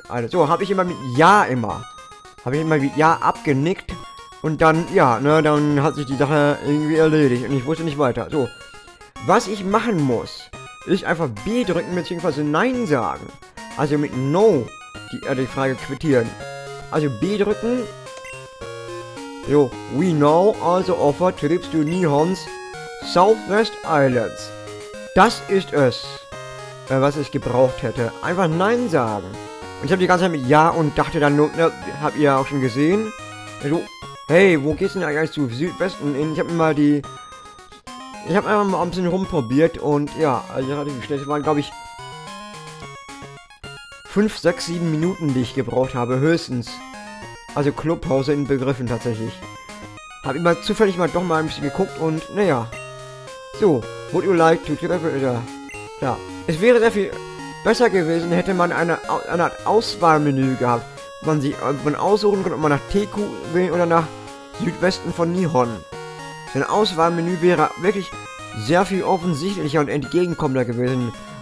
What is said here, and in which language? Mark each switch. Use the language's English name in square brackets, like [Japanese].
[German] Also, so, habe ich immer mit Ja immer. Habe ich immer mit Ja abgenickt. Und dann, ja, ne, dann hat sich die Sache irgendwie erledigt und ich wusste nicht weiter. So, was ich machen muss, ist einfach B drücken, beziehungsweise Nein sagen. Also mit No die Frage quittieren. Also B drücken. [English] So, we now also offer trips to Nihon's Southwest Islands. [German] Das ist es, was ich gebraucht hätte. Einfach Nein sagen. Und ich habe die ganze Zeit mit Ja und dachte dann nur, ne, habt ihr ja auch schon gesehen. So. Hey, wo geht's denn eigentlich zu Südwesten? Ich hab einfach mal ein bisschen rumprobiert und ja, also gerade die Städte waren, glaube ich, 5, 6, 7 Minuten, die ich gebraucht habe, höchstens. Also Clubpause inbegriffen tatsächlich. Hab immer zufällig mal doch mal ein bisschen geguckt und naja. [English] So, would you like to travel? [German] Ja, es wäre sehr viel besser gewesen, hätte man eine Art Auswahlmenü gehabt. Man aussuchen kann, ob man nach Teku will oder nach Südwesten von Nihon. Ein Auswahlmenü wäre wirklich sehr viel offensichtlicher und entgegenkommender gewesen.